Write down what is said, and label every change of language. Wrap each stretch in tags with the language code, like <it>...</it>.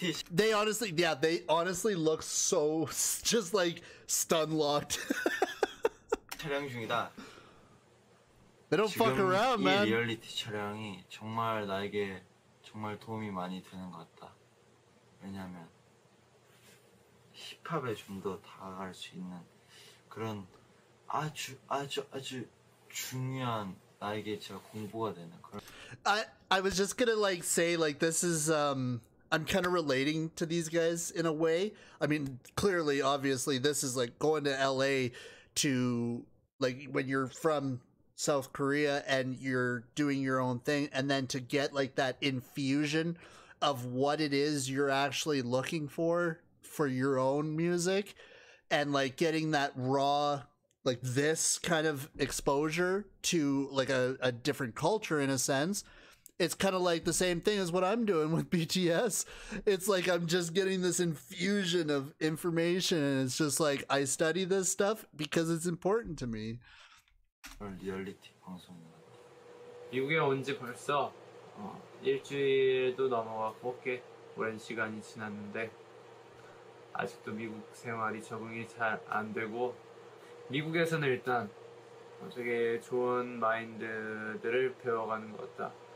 <en>They honestly, yeah, they honestly look so just like stun locked.</en> <ko>촬영 중이다.</ko> <en>They don't fuck around, man.</en> <ko>지금 이 리얼리티 촬영이 정말 나에게 정말 도움이 많이 되는 것 같다. 왜냐하면 힙합에 좀 더 다가갈 수 있는 그런 아주 아주 아주 중요한 나에게 제가 공부가 되는 그런.</ko> <en>I was just gonna like say like this is I'm kind of relating to these guys in a way. I mean, clearly, obviously, this is like going to LA to like when you're from South Korea and you're doing your own thing, and then to get like that infusion of what it is you're actually looking for your own music, and like getting that raw, like this kind of exposure to like a different culture in a sense. It's kind of like the same thing as what I'm doing with BTS. It's like I'm just getting this infusion of information, and it's just like I study this stuff because it's important to me.</en> <ko>리얼리티 방송인 것 같아. 미국에 온 지 벌써 일주일도 넘어갔고 꽤 오랜 시간이 지났는데 아직도 미국 생활이 적응이 잘 안 되고 미국에서는 일단 되게 좋은 마인드들을 배워가는 것 같다.</ko>